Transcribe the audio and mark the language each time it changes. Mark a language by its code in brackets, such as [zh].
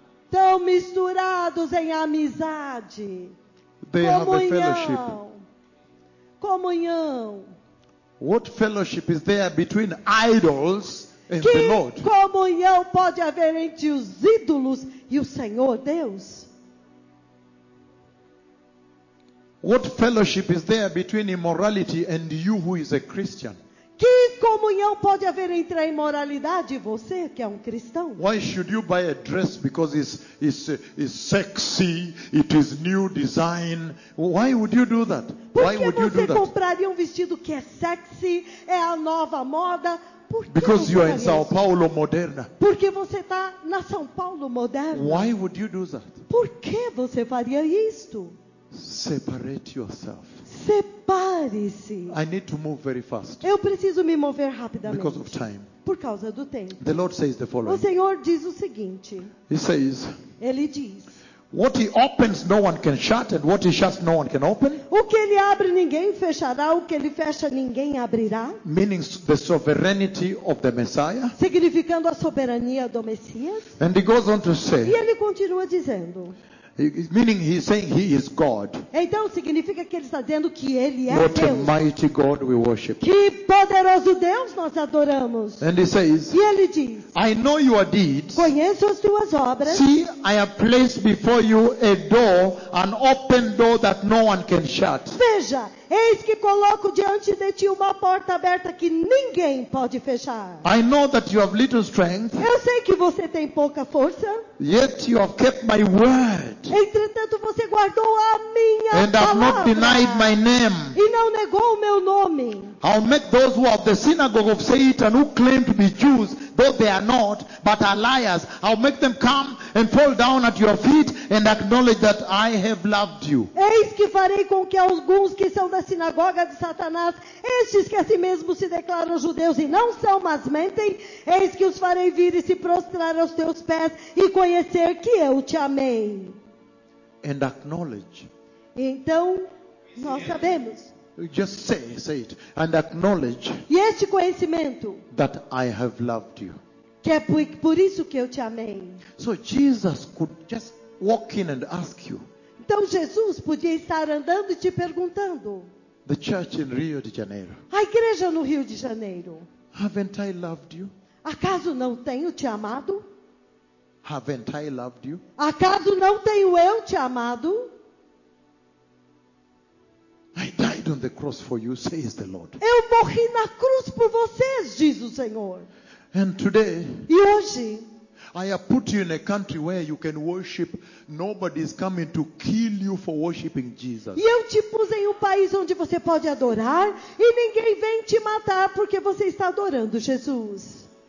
[pt] Tão misturados em amizade. [en] They comunhão. Have a fellowship. [pt] Comunhão. [en] What fellowship is there between idols and [pt] que [en] the Lord? [pt] Que comunhão pode haver entre os ídolos e o Senhor Deus? [en] What fellowship is there between immorality and you who is a Christian? [pt] Que comunhão pode haver entre a imoralidade e você que é cristão? [en] Why should you buy a dress because it's sexy, it is new design? Why would you do that? Why would you do that? [pt] Por que você compraria vestido que é sexy, é a nova moda? [en] Because you are in São Paulo moderna. [pt] Porque você está na São Paulo moderna? [en] Why would you do that? [pt] Por que você faria isto? [en] Separate yourself. [pt] Separe-se. [en] I need to move very fast. [pt] Eu preciso me mover rapidamente. [en] Because of time. [pt] Por causa do tempo. [en] The Lord says the following. [pt] O Senhor diz o seguinte. [en] He says. [pt] Ele diz. [en] What he opens, no one can shut, and what he shuts, no one can open. [pt] O que ele abre, ninguém fechará; o que ele fecha, ninguém abrirá. [en] Meaning the sovereignty of the Messiah. [pt] Significando a soberania do Messias. [en] And he goes on to say. [pt] E ele continua dizendo. [en] Meaning he is saying he is God. [pt] Então significa que ele está dizendo que ele é [en] What [pt] Deus. [en] A mighty God we worship. [pt] Que poderoso Deus nós adoramos. [en] And he says, [pt] e ele diz, [en] I know your deeds. [pt] Conheço as tuas obras. [en] See, I have placed before you a door, an open door that no one can shut. [pt] Veja, eis que coloco diante de ti uma porta aberta que ninguém pode fechar. [en] I know that you have little strength. [pt] Eu sei que você tem pouca força. [en] Yet you have kept my word. [pt] Entretanto, você guardou a minha palavra. [en] And have not denied my name. [pt] E não negou o meu nome. [en] I'll make those who are the synagogue of Satan who claim to be Jews, though they are not, but are liars. I'll make them come and fall down at your feet and acknowledge that I have loved you. [pt] Eis que farei com que alguns que são da sinagoga de Satanás, estes que a si mesmo se declaram judeus e não são, mas mentem, eis que os farei vir e se prostrar aos teus pés e conhecer que eu te amei. [en] And acknowledge. [pt] Então, nós sabemos. [en] Just say it and acknowledge. [pt] E este conhecimento. [en] That I have loved you. [pt] Que é por isso que eu te amei. [en] So Jesus could just walk in and ask you. [pt] Então Jesus podia estar andando e te perguntando. [en] The church in Rio de Janeiro. [pt] A igreja no Rio de Janeiro. [en] Haven't I loved you? [pt] Acaso não tenho te amado? [en] Haven't I loved you? [pt] Acaso não tenho eu te amado? [en] I died on the cross for you, says the Lord. [pt] Eu morri na cruz por vocês, diz o Senhor. [en] And today, [pt] e hoje, [en] I have put you in a country where you can worship. Nobody is coming to kill you for worshiping Jesus. [pt] E eu te pus em um país onde você pode adorar e ninguém vem te matar porque você está adorando Jesus.